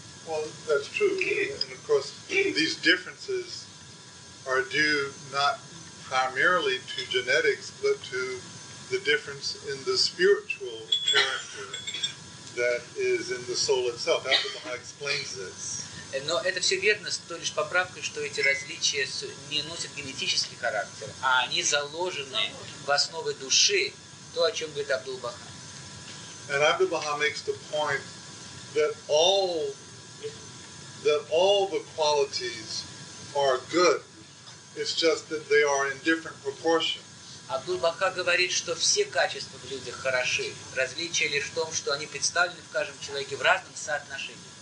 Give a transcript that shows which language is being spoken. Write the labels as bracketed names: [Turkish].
[English] Well, that's true, and of course, these differences are due not primarily to genetics, but to the difference in the spiritual character that is in the soul itself. Abdu'l-Bahá explains this. [Russian] Но это все верно с той лишь поправкой, что эти различия не носят генетический характер, а они заложены в основы души, то, о чем говорит Абдул-Баха. [English] And Abdu'l-Bahá makes the point that all the qualities are good. It's just that they are in different proportions. [Russian] Абдул-Баха говорит, что все качества в людях хороши. Различие лишь в том, что они представлены в каждом человеке в разном соотношении.